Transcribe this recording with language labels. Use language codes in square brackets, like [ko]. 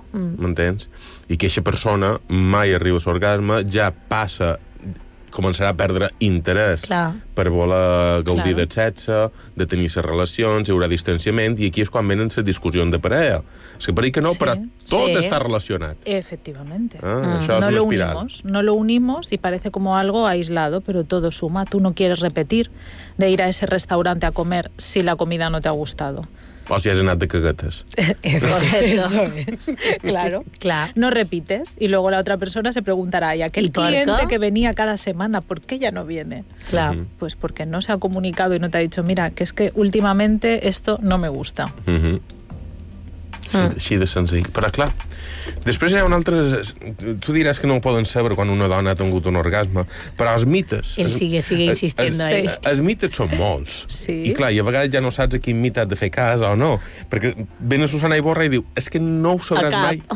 [ca] M'entens? I que aquesta persona mai arriba a l'orgasme, ja passa, començarà a perdre interès per voler gaudir de sexe, de tenir les relacions, hi haurà distanciament, i aquí és quan venen les discussions de parella. És que per dir que no, però tot està relacionat. [es] Efectivamente. [ca] Ah, això és [es] no lo unimos, no lo unimos y parece como algo aislado, pero todo suma. Tú no quieres repetir de ir a ese restaurante a comer si la comida no te ha gustado. [ca] O si has anat de caguetes. [es] Eso es. Claro. [ca] Clar. [es] No repites. Y luego la otra persona se preguntará, ¿y aquel cliente que venía cada semana, por qué ya no viene? Claro. Pues porque no se ha comunicado y no te ha dicho, mira, que es que últimamente esto no me gusta. [ca] Sí, de senzill. Però, clar, després hi ha un altre... Tu diràs que no ho poden saber quan una dona ha tingut un orgasme, però els mites... Ell sigue insistint. Els mites són molts. Sí. I, clar, i a vegades ja no saps a quin mite has de fer cas o no, perquè ve a Susana Iborra i diu, és que no ho sabràs mai.